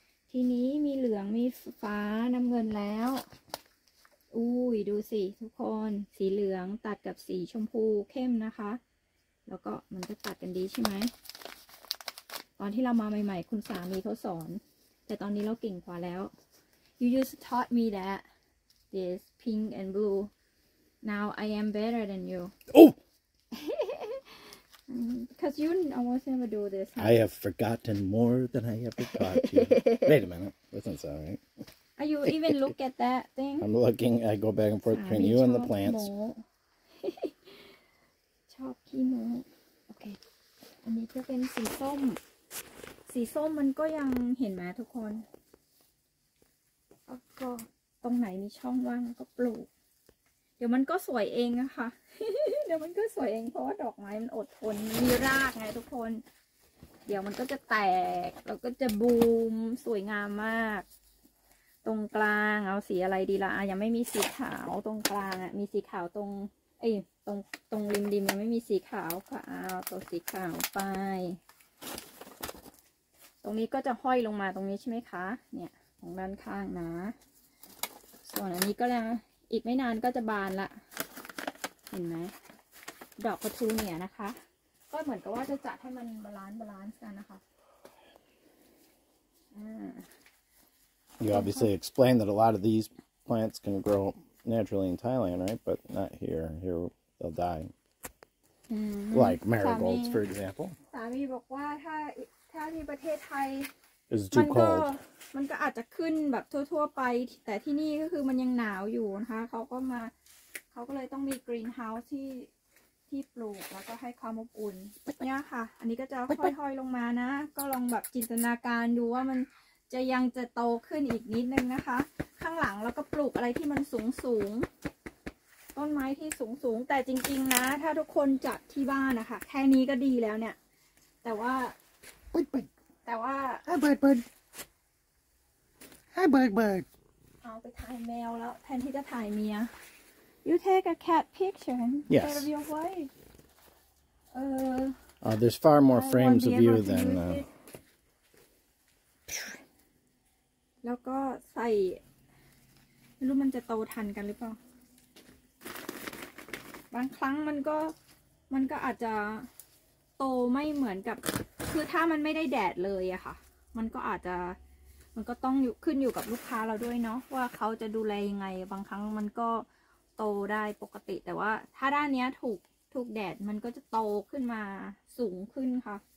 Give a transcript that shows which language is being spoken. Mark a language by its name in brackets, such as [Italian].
[Thai] ทีนี้มีเหลืองมีฟ้าน้ำเงินแล้วอุ้ยดูสิทุกคนสีเหลืองตัดกับสีชมพูเข้มนะคะแล้วก็มันก็ตัดกันดีใช่ไหมตอนที่เรามาใหม่ๆคุณสามีเขาสอนแต่ตอนนี้เราเก่งกว่าแล้ว [English] You just taught me that this pink and blue now I am better than you Oh because you almost never do this I have forgotten more than I ever taught you Wait a minute listen sorry Are you even look at that thing I'm looking I go back and forth between you and the plants [Thai] ชอบขี้โม้โอเคอันนี้ก็เป็นสีส้มสีส้มมันก็ยังเห็นไหมทุกคนก็ตรงไหนมีช่องว่างก็ปลูกเดี๋ยวมันก็สวยเองอะค่ะเดี๋ยวมันก็สวยเองเพราะว่าดอกไม้มันอดทนมีรากไงทุกคนเดี๋ยวมันก็จะแตกแล้วก็จะบูมสวยงามมาก ตรงกลางเอาสีอะไรดีล่ะยังไม่มีสีขาวตรงกลางอะมีสีขาวตรงไอ้ตรงริมยังไม่มีสีขาวค่ะเอาตัวสีขาวไป ตรงนี้ก็จะห้อยลงมาตรงนี้ใช่ไหมคะเนี่ยของด้านข้างนะส่วนอันนี้ก็ยังอีกไม่นานก็จะบานละเห็นไหมดอกกระทูเนี่ยนะคะก็เหมือนกับว่าจะจัดให้มันบาลานซ์กันนะคะ [English] You obviously explained that a lot of these plants can grow naturally in Thailand, right? But not here. Here they'll die. Like marigolds, for example. [Thai] สามีบอกว่าถ้าที่ประเทศไทย [English] It's too cold. [Thai] มันก็อาจจะขึ้นแบบทั่วๆไปแต่ที่นี่ก็คือมันยังหนาวอยู่นะคะเขาก็เลยต้องมีกรีนเฮาส์ที่ปลูกแล้วก็ให้ความอบอุ่นเนี่ยค่ะอันนี้ก็จะค่อยๆลงมานะก็ลองแบบจินตนาการดูว่ามันจะยังจะโตขึ้นอีกนิดนึงนะคะข้างหลังแล้วก็ปลูกอะไรที่มันสูงๆต้นไม้ที่สูงๆแต่จริงๆนะถ้าทุกคนจัดที่บ้านนะคะแค่นี้ก็ดีแล้วเนี่ยแต่ว่า ให้เบิร์ด เอาไปถ่ายแมวแล้วแทนที่จะถ่ายเมีย [English] You take a cat picture instead yes. of your wife. There's far more frames of you than. [Thai] แล้วก็ใส่ไม่รู้มันจะโตทันกันหรือเปล่าบางครั้งมันก็อาจจะโตไม่เหมือนกับคือถ้ามันไม่ได้แดดเลยอะค่ะมันก็อาจจะมันก็ต้องขึ้นอยู่กับลูกค้าเราด้วยเนาะว่าเขาจะดูแลยังไงบางครั้งมันก็โตได้ปกติแต่ว่าถ้าด้านเนี้ยถูกแดดมันก็จะโตขึ้นมาสูงขึ้นค่ะ